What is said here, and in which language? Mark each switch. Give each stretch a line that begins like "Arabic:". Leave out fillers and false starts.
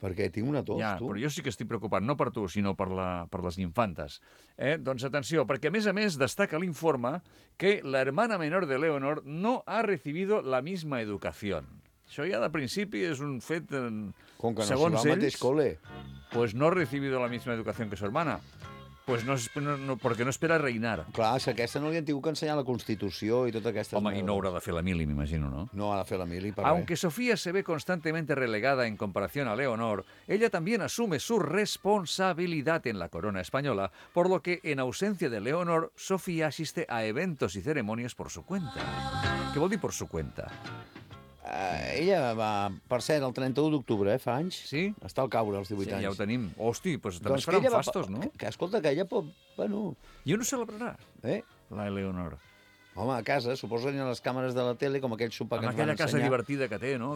Catalan: Perquè tinc una tos, ja, tu. Però jo sí que estic preocupat, no per tu, sinó per les infantes. Doncs atenció, perquè a més destaca l'informe
Spanish: que la hermana menor de Leonor no ha recibido la misma educació.
Catalan: Això ja de principi és un fet, com que no segons se va ells, cole.
Spanish: Pues no ha recibido la misma educació que su hermana. Pues no,
Catalan: perquè no espera reinar. Clar, si aquesta no li han tingut que ensenyar la Constitució i tot aquestes... Home, i no haurà de fer la mili, m'imagino, no? No ha de fer la mili, per
Spanish: Aunque Sofía se ve constantemente relegada en comparación a Leonor, ella también asume su responsabilidad en la corona española, por lo que, en ausencia de Leonor, Sofía asiste a eventos y ceremonias por su cuenta.
Catalan: Què vol dir
Spanish: por su cuenta?
Catalan: Ella va, per cert, el 31 d'octubre, fa anys. Sí? Està al caure, als 18 sí, anys. Sí, ja ho tenim. Hosti, doncs també es faran fastos, no? Que escolta, que ella pot... Bueno... I on ho celebrarà, la Eleonor? Home, a casa, suposo que hi ha les càmeres de la tele, com aquell sopar que ens van ensenyar. Aquella casa divertida que té, no?